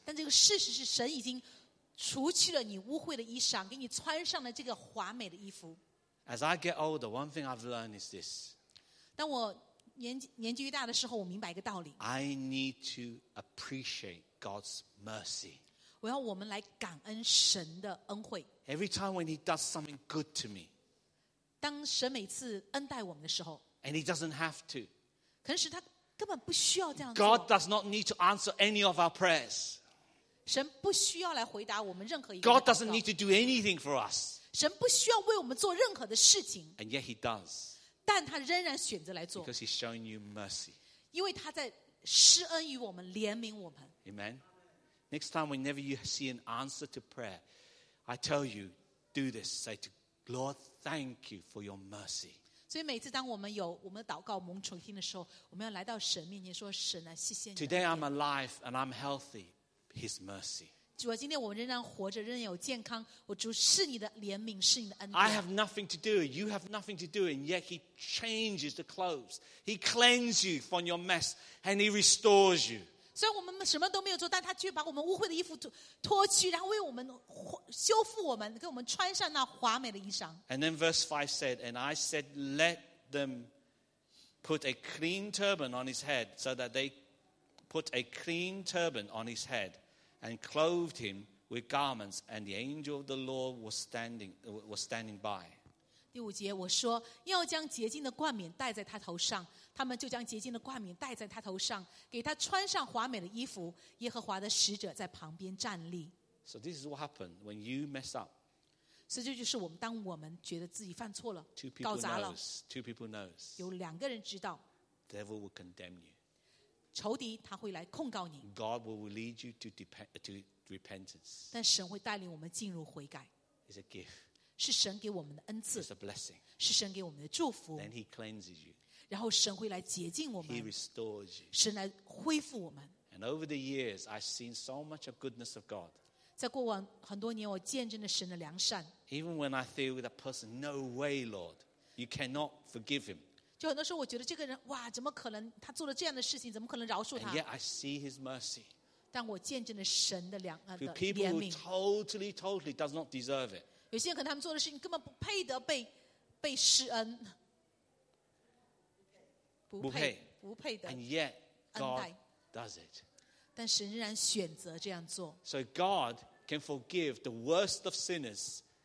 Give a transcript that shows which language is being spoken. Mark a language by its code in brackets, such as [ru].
[zh] 但这个事实是，神已经除去了你污秽的衣裳，给你穿上了这个华美的衣服。 [en] As I get older, one thing I've learned is this. [zh] 当我年纪越大的时候，我明白一个道理。 [en] I need to appreciate God's mercy. [zh] 我要我们来感恩神的恩惠。 [en] Every time when He does something good to me, [zh] 当神每次恩待我们的时候 [en] ，and He doesn't have to, [zh] 可能是他根本不需要这样做。 [en] God does not need to answer any of our prayers. [zh] 神不需要来回答我们任何一个。 [en] God doesn't need to do anything for us. [zh] 神不需要为我们做任何的事情。 [en] And yet He does. [zh] 但他仍然选择来做。 [en] Because He's showing you mercy. [zh] 因为他在施恩于我们，怜悯我们。 [en] Amen. Next time whenever you see an answer to prayer, I tell you, do this. Say to Lord, thank you for your mercy. [zh] 所以每次当我们有我们的祷告蒙垂听的时候，我们要来到神面前说，神啊，谢谢你。 [en] Today I'm alive and I'm healthy. His mercy. [zh] 主啊，今天我仍然活着，仍然有健康。我主是你的怜悯，是你的恩典。 [en] I have nothing to do. You have nothing to do, and yet He changes the clothes. He cleanses you from your mess and He restores you. [zh] 虽然我们什么都没有做，但他却把我们污秽的衣服脱去，然后为我们修复我们，给我们穿上那华美的衣裳。 [en] And then verse 5 said, And I said, Let them put a clean turban on his head, so that they put a clean turban on his head, and clothed him with garments, and the angel of the Lord was standing by. [zh] 第五节我说，要将洁净的冠冕戴在他头上。他们就将洁净的冠冕戴在他头上，给他穿上华美的衣服。耶和华的使者在旁边站立。 [en] So this is what happened when you mess up. [zh] 所以这就是我们当我们觉得自己犯错了， [en] two people [zh] 搞砸了。 [en] Knows, two people knows. [zh] 有两个人知道。 [en] The devil will condemn you. [zh] 仇敌他会来控告你。 [en] God will lead you to repentance. [zh] 但神会带领我们进入悔改。 [en] It's a gift. [zh] 是神给我们的恩赐。 [en] It's a blessing. [zh] 是神给我们的祝福。 [en] Then He cleanses you. [zh] 然后神会来洁净我们 [en] He restores you. [zh] 神来恢复我们 [en] And over the years I've seen so much of goodness of God [zh] 在过往很多年我见证了神的良善 [en] Even when I feel with a person No way Lord You cannot forgive him [zh] 就很多时候我觉得这个人哇怎么可能他做了这样的事情怎么可能饶恕他 [en] And yet I see his mercy [zh] 但我见证了神的良 [en] 善 To people who totally does not deserve it [zh] 有些人可能他们做的事情根本不配得被施恩不配的 [en] And yet God does it. [zh] 但神仍然选择这样做。 [en] So God can forgive the worst of sinners.